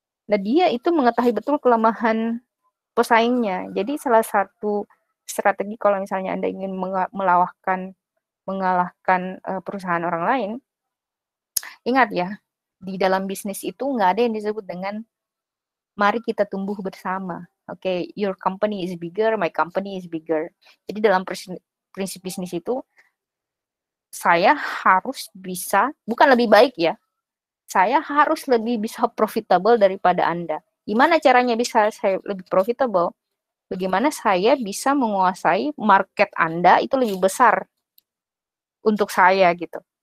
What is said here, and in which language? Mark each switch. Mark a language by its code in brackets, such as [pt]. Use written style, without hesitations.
[id] Nah dia itu mengetahui betul kelemahan pesaingnya. Jadi salah satu strategi kalau misalnya Anda ingin mengalahkan perusahaan orang lain, ingat ya, di dalam bisnis itu nggak ada yang disebut dengan mari kita tumbuh bersama. [en] Oke, okay, your company is bigger, my company is bigger. [id] Jadi dalam prinsip bisnis itu, saya harus bisa, bukan lebih baik ya, saya harus lebih bisa profitable daripada Anda. Gimana caranya bisa saya lebih profitable? Bagaimana saya bisa menguasai market Anda itu lebih besar untuk saya gitu.